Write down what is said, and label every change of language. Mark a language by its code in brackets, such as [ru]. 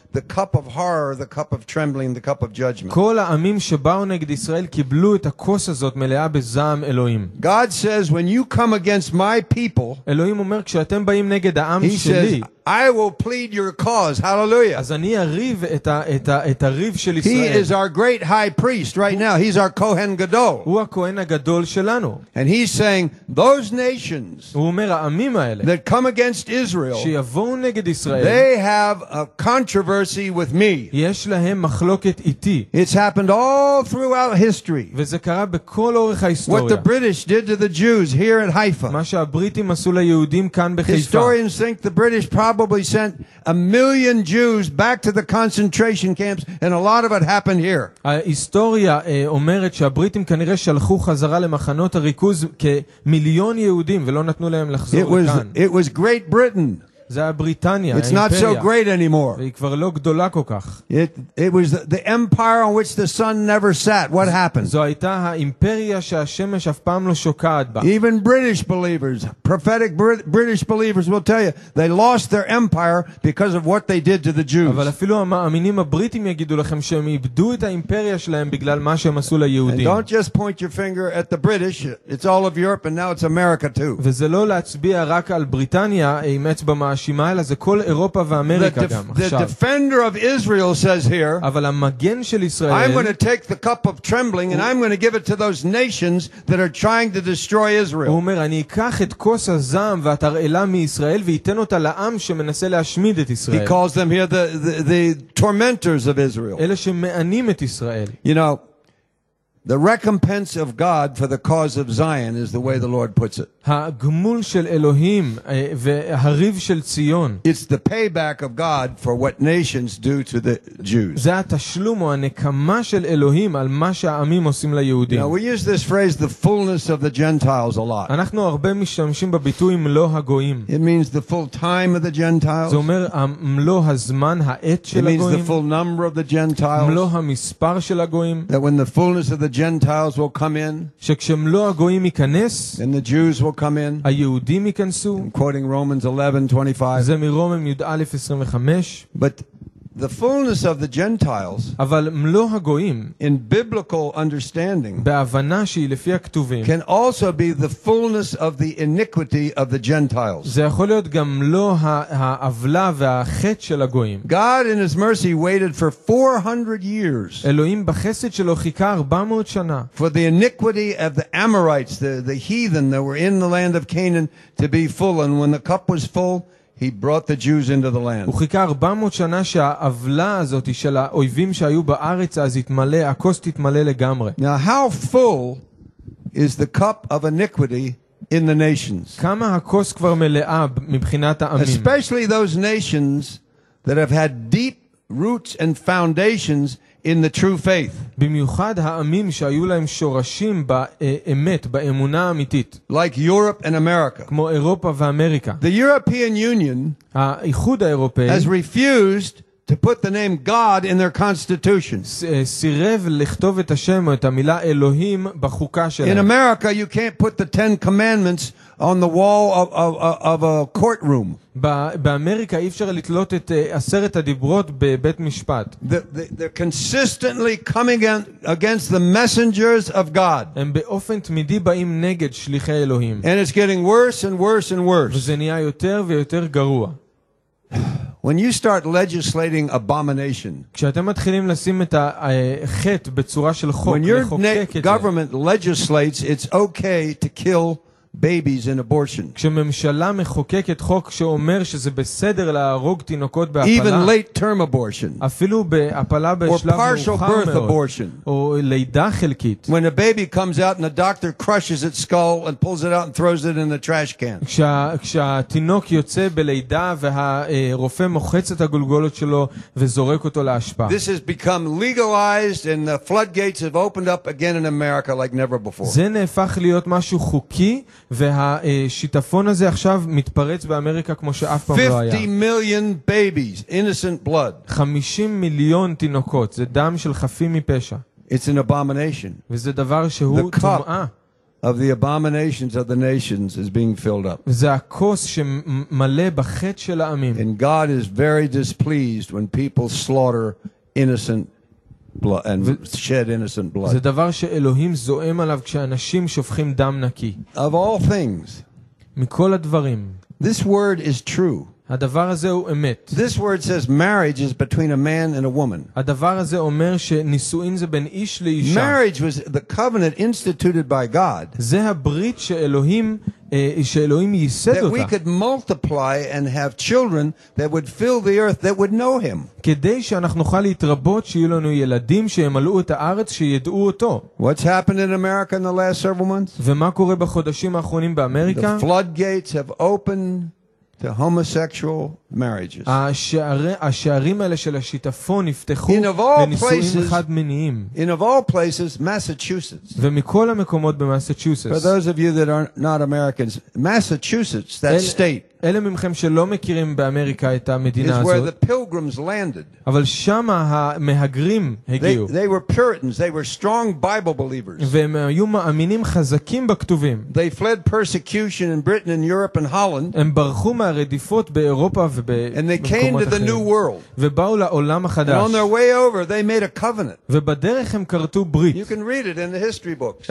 [en] the cup of horror, the cup of trembling, the cup of judgment. [he] כל העמים שבאו נגד ישראל קיבלו את הכוס הזאת מלאה בזעם אלוהים. [en] God says, when you come against my people, [he] אלוהים אומר, כשאתם באים נגד העם [en] he [he] שלי, [en] says, I will plead your cause. Hallelujah. [he] אז אני אריב את את הריב של ישראל. [en] He is our great high priest right now. He's our Kohen Gadol. [he] הוא הכהן הגדול שלנו. [en] And he's saying those nations. [he] הוא אומר העמים האלה. [en] That come against Israel. [he] שיבואו נגד ישראל. [en] They have a controversy with me. [he] יש להם מחלוקת איתי. [en] It's happened all throughout history. [he] וזה קרה בכל אורך ההיסטוריה. [en] What the British did to the Jews here at Haifa. [he] מה שהבריטים עשו ליהודים כאן בחיפה. [en] Historians think the British probably sent a million Jews back to the concentration camps and a lot of it happened here. [he] ההיסטוריה אומרת שהבריטים כנראה שלחו חזרה למחנות הריכוז כמיליון יהודים ולא נתנו להם לחזור לכאן. [en] It was Great Britain. [he] זה היה בריטניה, האימפריה. [en] It's not so great anymore. [he] והיא כבר לא גדולה כל כך. [en] It was the empire on which the sun never set. What happened? [he] זו הייתה האימפריה שהשמש אף פעם לא שוקעת בה. [en] Even British believers, prophetic British believers will tell you, they lost their empire because of what they did to the Jews. [he] אבל אפילו המאמינים הבריטים יגידו לכם שהם איבדו את האימפריה שלהם בגלל מה שהם עשו ליהודים. [en] And don't just point your finger at the British. It's all of Europe and now it's America too. [he] וזה לא להצביע רק על בריטניה, עם אצבע האשימה אלא זה כל אירופה ואמריקה גם עכשיו. [en] The defender of Israel says here, [he] אבל המגן של ישראל, [en] I'm going to take the cup of trembling and I'm going to give it to those nations that are trying to destroy Israel. [he] הוא אומר, אני אקח את כוס הזעם והתרעלה מישראל ואתן אותה לעם שמנסה להשמיד את ישראל. [en] He calls them here the tormentors of Israel. [he] אלה שמענים את ישראל. [en] You know, the recompense of God for the cause of Zion is the way the Lord puts it. [he] הגמול של אלוהים והריב של ציון. [en] It's the payback of God for what nations do to the Jews. [he] זה התשלום או הנקמה של אלוהים על מה שהעמים עושים ליהודים. [en] Now we use this phrase, the fullness of the Gentiles, a lot. [he] אנחנו הרבה משתמשים בביטוי מלוא הגויים. [en] It means the full time of the Gentiles. [he] זה אומר מלוא הזמן, העת של הגויים. [en] It means the full number of the Gentiles. [he] מלוא המספר של הגויים. [en] That when the fullness of the Gentiles will come in, [he] שכשמלוא הגויים ייכנס, [en] and the Jews will come in, [he] היהודים ייכנסו, [en] quoting Romans 11:25, [he] זה מרומם י' א' 25, [en] but the fullness of the Gentiles, [he] אבל מלוא הגויים, [en] in biblical understanding, [he] בהבנה שהיא לפי הכתובים, [en] can also be the fullness of the iniquity of the Gentiles. [he] זה יכול להיות גם מלוא העוולה והחטא של הגויים. [en] God in his mercy waited for 400 years. [he] אלוהים בחסד שלו חיכה 400 שנה. [en] For the iniquity of the Amorites, the heathen that were in the land of Canaan to be full, and when the cup was full, he brought the Jews into the land. [he] וחיכה 400 שנה שהעוולה הזאת של האויבים שהיו בארץ אז התמלא, הכוס תתמלא לגמרי. [en] Now how full is the cup of iniquity in the nations? [he] כמה הכוס כבר מלאה מבחינת העמים? [en] Especially those nations that have had deep roots and foundations in the true faith. [he] במיוחד העמים שהיו להם שורשים באמת, באמונה האמיתית. [en] Like Europe and America. [he] כמו אירופה ואמריקה. [en] The European Union, [he] האיחוד האירופאי, [en] has refused to put the name God in their constitution. [he] סירב לכתוב את השם או את המילה אלוהים בחוקה שלהם. [en] In America you can't put the 10 commandments on the wall of a courtroom. [he] באמריקה אי אפשר לתלות את עשרת הדיברות בבית משפט. [en] They're consistently coming against the messengers of God. [he] הם באופן תמידי באים נגד שליחי אלוהים. [en] And it's getting worse and worse and worse. [he] וזה נהיה יותר ויותר גרוע. [en] When you start legislating abomination, [he] כשאתם מתחילים לשים את החטא בצורה של חוק, [en] when your government legislates, it's okay to kill babies in abortion. [he] כשממשלה מחוקקת חוק שאומר שזה בסדר להרוג תינוקות בהפלה, [en] even late term abortion, [he] אפילו בהפלה בשלב מאוחר מאוד, או לידה חלקית, [en] when a baby comes out and the doctor crushes its skull and pulls it out and throws it in the trash can, [he] כשהתינוק יוצא בלידה והרופא מוחץ את הגולגולות שלו וזורק אותו לאשפה, [en] this has become legalized and the floodgates have opened up again in America like never before. [he] זה נהפך להיות משהו חוקי והשיטפון הזה עכשיו מתפרץ באמריקה כמו שאף פעם לא היה. [en] 50 million babies, innocent blood. [he] 50 מיליון תינוקות, זה דם של חפים מפשע. [en] It's an abomination. [he] וזה דבר שהוא טומאה. [en] The cup of the abominations of the nations is being filled up. [he] זה הכוס שמלא בחטא של העמים. [en] And God is very displeased when people slaughter innocent blood and shed innocent blood. [he] זה דבר שאלוהים זועם עליו כשאנשים שופכים דם נקי. [en] Of all things. [he] מכל הדברים. [en] This word is true. [he] הדבר הזה הוא אמת. [en] This word says marriage is between a man and a woman. [he] הדבר הזה אומר שנישואין זה בין איש לאישה. [en] Marriage was the covenant instituted by God. [he] זה הברית שאלוהים ייסד אותה. [en] That we could multiply and have children that would fill the earth that would know him. [he] כדי שאנחנו נוכל להתרבות שיהיו לנו ילדים שימלאו את הארץ שידעו אותו. [en] What's happened in America in the last several months? [he] ומה קורה בחודשים האחרונים באמריקה? [en] The floodgates have opened to homosexual marriages. [he] השערים האלה של השיטפון נפתחו לנישואים חד מיניים. [en] In of all places, Massachusetts. [he] ומכל המקומות במסצ'וסטס. [en] For those of you that are not Americans, Massachusetts, that state. [he] אלה ממכם שלא מכירים באמריקה את המדינה הזאת. [en] Is where the pilgrims landed. [he] אבל שם המהגרים הגיעו. [en] They were Puritans, they were strong Bible believers. [he] והם היו מאמינים חזקים בכתובים. [en] They fled persecution in Britain and Europe and Holland. [he] הם ברחו מהרדיפות באירופה ובמקומות אחרים. [en] And they came to the new world. [he] ובאו לעולם החדש. [en] On their way over, they made a covenant. [he] ובדרך הם כרתו ברית. [en] You can read it in the history books.